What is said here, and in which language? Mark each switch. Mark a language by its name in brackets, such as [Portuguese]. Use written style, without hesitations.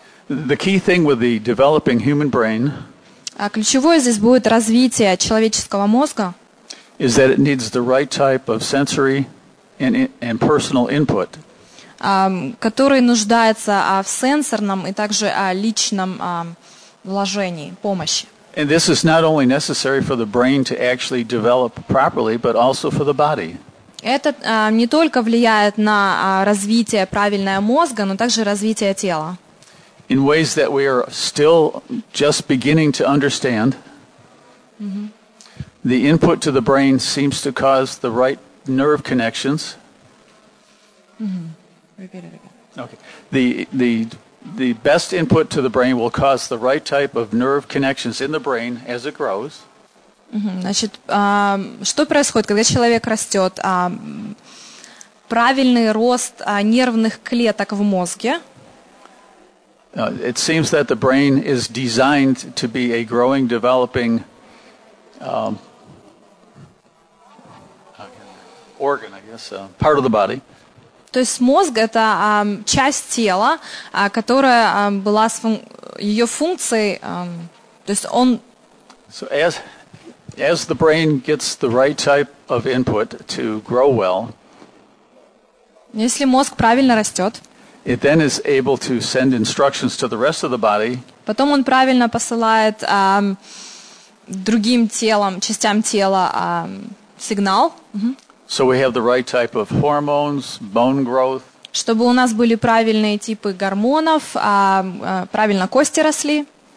[English] The key thing with the developing human brain. [Russian] А ключевое здесь будет развитие человеческого мозга. [English] Is that it needs the right type of sensory and personal input. [Russian] Который нуждается в сенсорном и также личном вложении, помощи. [English] And this is not only necessary for the brain to actually develop properly, but also for the body. [Russian] Это не только влияет на развитие правильного мозга, но также развитие тела. [English] In ways that we are still just beginning to understand, the input to the brain seems to cause the right nerve connections. The best input to the brain will cause the right type of nerve connections in the brain as it grows. [Russian] Значит, что происходит, когда человек растет? Правильный рост нервных клеток в мозге. [English] It seems that the brain is designed to be a growing, developing organ, I guess, part of the body. [Russian] То есть мозг – это часть тела, которая была с ее функцией, то есть он… [English] So as the brain gets the right type of input to grow well… [Russian] Если мозг правильно растет… [English] It then is able to send instructions to the rest of the body… [Russian] Потом он правильно посылает другим телом, частям тела сигнал… [English] So we have the right type of hormones, bone growth. [Russian] Чтобы у нас были правильные типы гормонов, правильно кости росли.